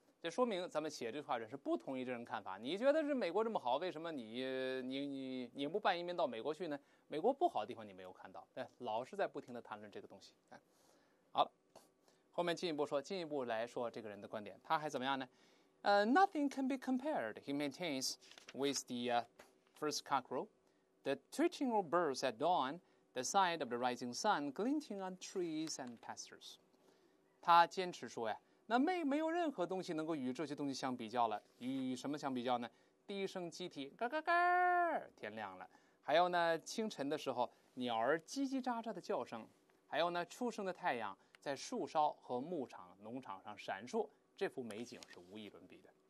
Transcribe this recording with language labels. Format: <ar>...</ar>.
<zh>这说明咱们写这句话人是不同意这种看法。你觉得是美国这么好，为什么你不办移民到美国去呢？美国不好的地方你没有看到，老是在不停的谈论这个东西。好，后面进一步来说这个人的观点，他还怎么样呢？</zh> <en>Nothing can be compared. He maintains with the first cockerel, the twittering of birds at dawn. The sight of the rising sun glinting on trees and pastures.</en> <zh>他坚持说呀，那没有任何东西能够与这些东西相比较了。与什么相比较呢？低声鸡啼，嘎嘎嘎，天亮了。还有呢，清晨的时候，鸟儿叽叽喳喳的叫声。还有呢，初升的太阳在树梢和牧场、农场上闪烁，这幅美景是无以伦比的。</zh>